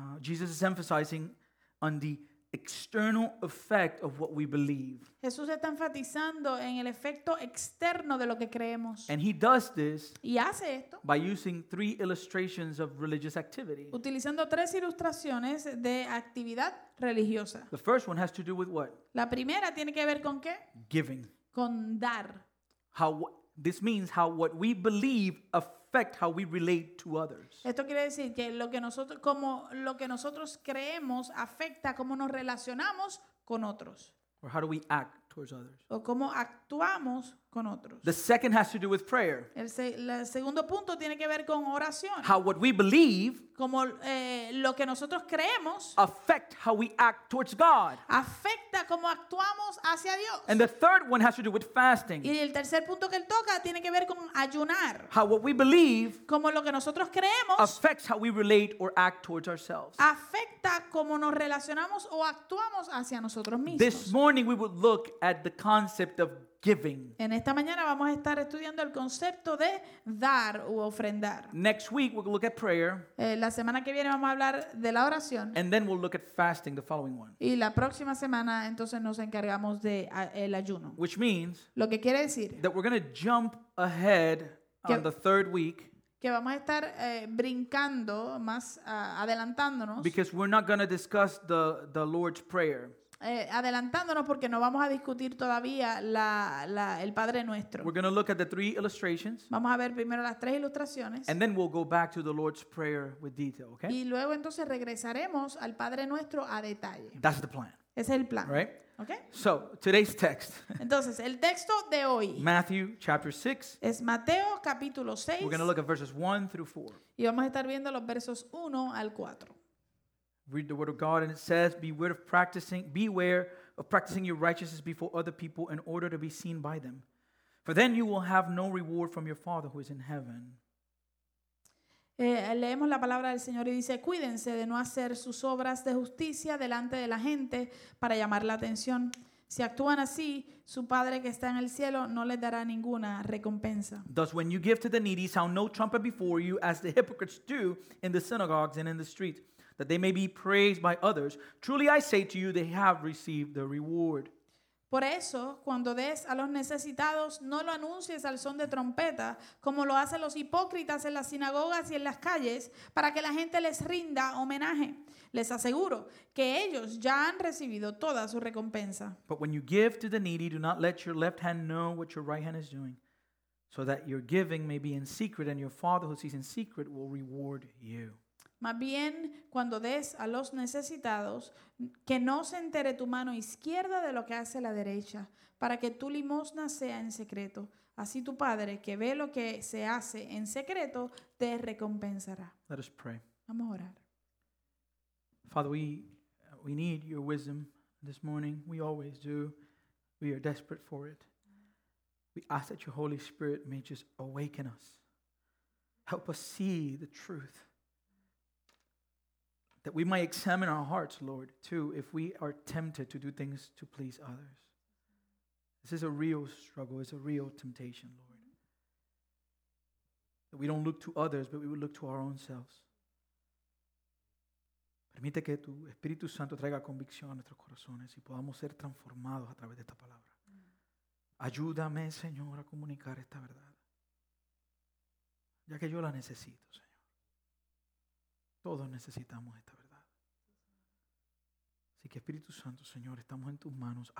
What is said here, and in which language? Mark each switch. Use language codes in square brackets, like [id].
[en] Jesus is emphasizing on the external effect of what we believe. [es] Jesús está enfatizando en el efecto externo de lo que creemos. [en] And he does this [es] y hace esto [en] by using 3 illustrations of religious activity. [es] Utilizando 3 ilustraciones de actividad religiosa. [en] The first one has to do with what? [es] La primera tiene que ver con qué? [en] Giving. [es] Con dar. [en] How this means how what we believe affect how we relate to others. [es] Esto quiere decir que lo que nosotros creemos afecta cómo nos relacionamos con otros. [en] Or how do we act towards others? [es] O cómo actuamos con otros. [en] The second has to do with prayer. [es] El segundo punto tiene que ver con oración. [en] How what we believe, [es] como lo que nosotros creemos, [en] affect how we act towards God. [es] Afecta cómo actuamos hacia Dios. [en] And the third one has to do with fasting. [es] Y el tercer punto que él toca tiene que ver con ayunar. [en] How what we believe, [es] como lo que nosotros creemos, [en] affects how we relate or act towards ourselves. [es] Afecta cómo nos relacionamos o actuamos hacia nosotros mismos. [en] This morning we will look at the concept of giving. [es] En esta mañana vamos a estar estudiando el concepto de dar u ofrendar. [en] Next week we'll look at prayer. [es] La semana que viene vamos a hablar de la oración. [en] And then we'll look at fasting, the following one. [es] Y la próxima semana entonces nos encargamos de el ayuno. [en] Which means, [es] lo que quiere decir, [en] that we're going to jump ahead on the third week. [es] Que vamos a estar brincando más adelantándonos. [en] Because we're not going to discuss the Lord's Prayer. [es] Adelantándonos porque no vamos a discutir todavía el Padre Nuestro. [en] We're going to look at the 3 illustrations. [es] Vamos a ver primero las 3 ilustraciones. [en] And then we'll go back to the Lord's Prayer with detail, okay? [es] Y luego entonces regresaremos al Padre Nuestro a detalle. [en] That's the plan. [es] Ese es el plan. [en] Right? Okay? So, today's text. [es] Entonces, el texto de hoy. [en] Matthew chapter 6. [es] Es Mateo capítulo 6. [en] We're going to look at verses 1 through 4. [es] Y vamos a estar viendo los versos 1 al 4. [en] Read the word of God, and it says, beware of practicing your righteousness before other people in order to be seen by them. For then you will have no reward from your Father who is in heaven. [es] Leemos la palabra del Señor y dice, cuídense de no hacer sus obras de justicia delante de la gente para llamar la atención. Si actúan así, su Padre que está en el cielo no les dará ninguna recompensa. [en] Thus, when you give to the needy, sound no trumpet before you, as the hypocrites do in the synagogues and in the streets, that they may be praised by others. Truly I say to you, they have received the reward. [es] Por eso, cuando des a los necesitados, no lo anuncies al son de trompeta, como lo hacen los hipócritas en las sinagogas y en las calles, para que la gente les rinda homenaje. Les aseguro que ellos ya han recibido toda su recompensa. [en] But when you give to the needy, do not let your left hand know what your right hand is doing, so that your giving may be in secret, and your Father who sees in secret will reward you. [es] Más bien, cuando des a los necesitados, que no se entere tu mano izquierda de lo que hace la derecha, para que tu limosna sea en secreto. Así tu Padre, que ve lo que se hace en secreto, te recompensará. [en] Let us pray. [es] Vamos a orar. [en] Father, we need your wisdom this morning. We always do. We are desperate for it. We ask that your Holy Spirit may just awaken us. Help us see the truth. That we might examine our hearts, Lord, too, if we are tempted to do things to please others. This is a real struggle. It's a real temptation, Lord. That we don't look to others, but we would look to our own selves. [es] Permite que tu Espíritu Santo traiga convicción a nuestros corazones y podamos ser transformados a través de esta palabra. Ayúdame, Señor, a comunicar esta verdad. Ya que yo la necesito, Señor. Todos necesitamos esta verdad. Así que Espíritu Santo, Señor, estamos en tus manos.